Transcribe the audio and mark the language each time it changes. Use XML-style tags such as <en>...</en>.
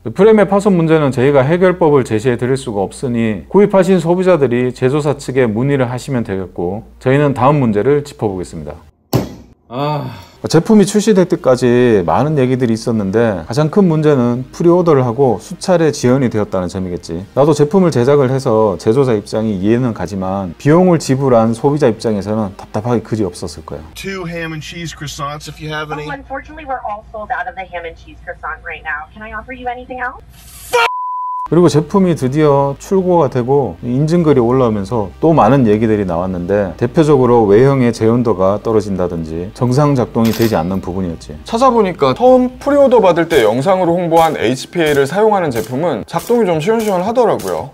<ko>프레임의 파손 문제는 저희가 해결법을 제시해 드릴 수가 없으니 구입하신 소비자들이 제조사 측에 문의를 하시면 되겠고 저희는 다음 문제를 짚어보겠습니다. 제품이 출시될 때까지 많은 얘기들이 있었는데 가장 큰 문제는 프리오더를 하고 수차례 지연이 되었다는 점이겠지. 나도 제품을 제작을 해서 제조사 입장이 이해는 가지만 비용을 지불한 소비자 입장에서는 답답하기 그지 없었을 거야.</ko> <en>Two ham and cheese croissants if you have any. Oh, unfortunately we're all sold out of the ham and cheese croissant right now. Can I offer you anything else?</en> <ko>그리고 제품이 드디어 출고가 되고 인증글이 올라오면서 또 많은 얘기들이 나왔는데 대표적으로 외형의 재현도가 떨어진다든지 정상 작동이 되지 않는 부분이었지. 찾아보니까 처음 프리오더 받을 때 영상으로 홍보한 HPA를 사용하는 제품은 작동이 좀 시원시원하더라고요.</ko>